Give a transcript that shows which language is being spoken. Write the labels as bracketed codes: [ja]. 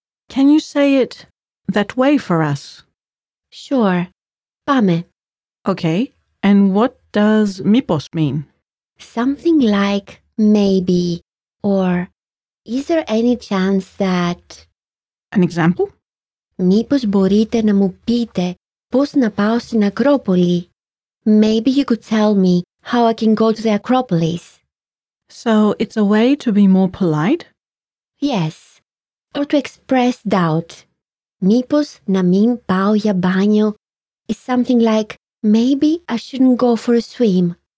[en] Can you say it that way for us? Sure. Pame. Okay. And what does mipos mean? Something like maybe or is there any chance that... An example? [el] Mipos μπορείτε να μου πείτε πώς να πάω στην Ακρόπολη. [en] Maybe you could tell me how I can go to the Acropolis. So it's a way to be more polite? Yes. Or to express doubt. [el] Mipos na min pao ya banyo [en] is something like, maybe I shouldn't go for a swim.